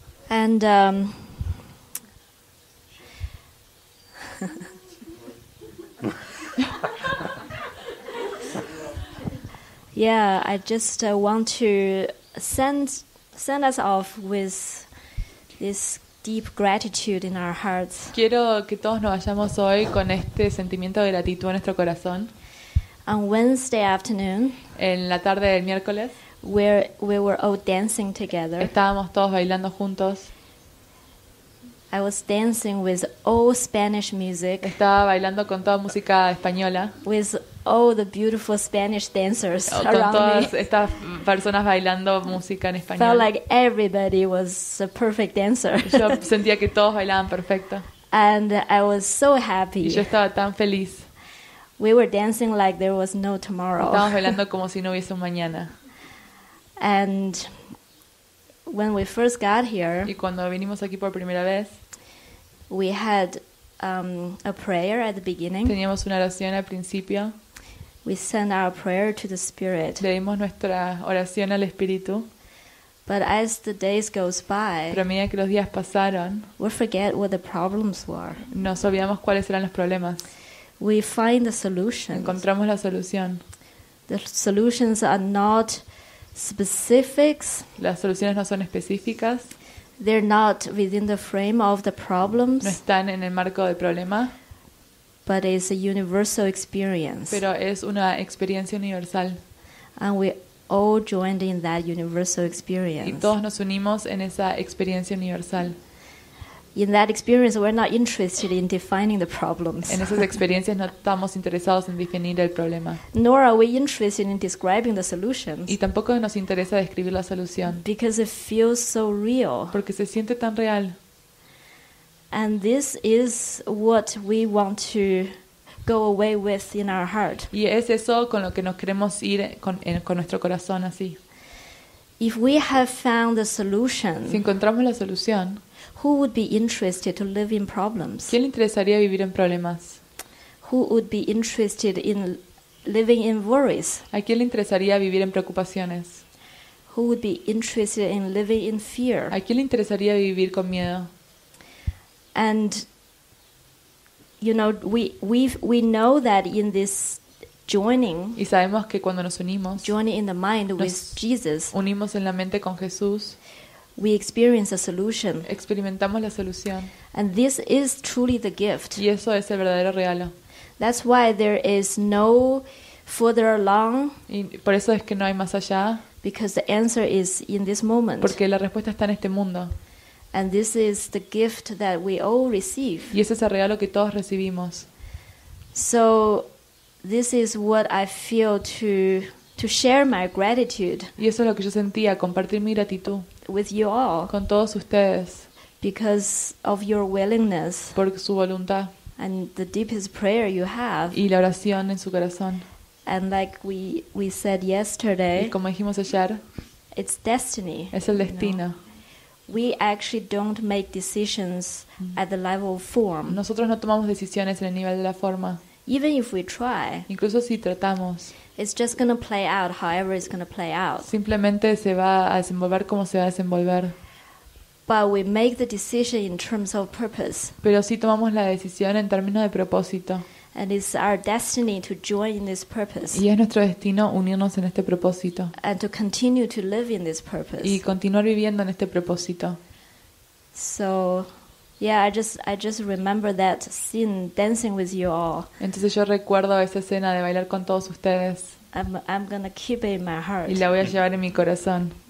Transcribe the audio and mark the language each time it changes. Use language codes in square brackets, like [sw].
[en] And yeah, I just want to send us off with this deep gratitude in our hearts. [es] Quiero que todos nos vayamos hoy con este sentimiento de gratitud en nuestro corazón. [en] On Wednesday afternoon, [es] en la tarde del miércoles, [en] where we were all dancing together. [es] Estábamos todos bailando juntos. [en] I was dancing with all Spanish music. [es] Estaba bailando con toda música española. [en] With all the beautiful Spanish dancers around me. [es] Con todas estas personas bailando música en español. [en] Felt like everybody was a perfect dancer. [es] Yo sentía que todos bailaban perfecto. [en] And I was so happy. [es] Y yo estaba tan feliz. [en] We were dancing like there was no tomorrow. [es] Estábamos bailando como si no hubiese un mañana. [en] And when we first got here, [es] y cuando vinimos aquí por primera vez, [en] we had a prayer at the beginning. [es] Teníamos una oración al principio. [en] We send our prayer to the Spirit. [es] Leímos nuestra oración al Espíritu. [en] But as the days goes by, [es] pero a medida que los días pasaron, [en] we forget what the problems were. [es] Nos olvidamos cuáles eran los problemas. [en] We find the solutions. [es] Encontramos la solución. [en] The solutions are not specifics. [es] Las soluciones no son específicas. [en] They're not within the frame of the problems. [es] No están en el marco del problema. [en] But it's a universal experience. [es] Pero es una experiencia universal. [en] And we all joined in that universal experience. [es] Y todos nos unimos en esa experiencia universal. [en] In that experience, we're not interested in defining the problems. [es] En esas experiencias no estamos interesados en definir el problema. [en] Nor are we interested in describing the solutions. [es] Y tampoco nos interesa describir la solución. [en] Because it feels so real. [es] Porque se siente tan real. [en] And this is what we want to go away with in our heart. [es] Y es eso con lo que nos queremos ir con nuestro corazón así. [en] If we have found the solution, [es] si encontramos la solución, [en] who would be interested to live in problems? [es] ¿Quién le interesaría vivir en problemas? [en] Who would be interested in living in worries? [es] ¿A quién le interesaría vivir en preocupaciones? [en] who would be interested in living in fear? [es] ¿A quién le interesaría vivir con miedo? [en] And you know, we know that in this joining, [es] y sabemos que cuando nos unimos, [en] joining in the mind with Jesus, [es] unimos en la mente con Jesús, [en] we experience a solution. [es] Experimentamos la solución. [en] And this is truly the gift. [es] Y eso es el verdadero regalo. [en] That's why there is no further along. [es] Y por eso es que no hay más allá. [en] Because the answer is in this moment. [es] Porque la respuesta está en este mundo. [en] And this is the gift that we all receive. [es] Y ese es el regalo que todos recibimos. [en] So this is what I feel to share my gratitude. [es] Y eso es lo que yo sentía, compartir mi gratitud. [en] With you all. [es] Con todos ustedes. [en] Because of your willingness. [es] Por su voluntad. [en] And the deepest prayer you have. [es] Y la oración en su corazón. [en] And like we said yesterday. [es] Y como dijimos ayer. [en] It's destiny. [es] Es el destino. [en] You know? We actually don't make decisions at the level of form. [es] Nosotros no tomamos decisiones en el nivel de la forma. [en] Even if we try. [es] Incluso si tratamos. [en] It's just going to play out however it's going to play out. [es] Simplemente se va a desenvolver como se va a desenvolver. [en] But we make the decision in terms of purpose. [es] Pero sí tomamos la decisión en términos de propósito. [en] And it's our destiny to join in this purpose. [es] Y es nuestro destino unirnos en este propósito. [en] And to continue to live in this purpose. [es] Y continuar viviendo en este propósito. [en] So, yeah, I just remember that scene dancing with you all. [es] Entonces yo recuerdo esa escena de bailar con todos ustedes. [en] I'm gonna keep it in my heart. [es] Y la voy a llevar en mi corazón.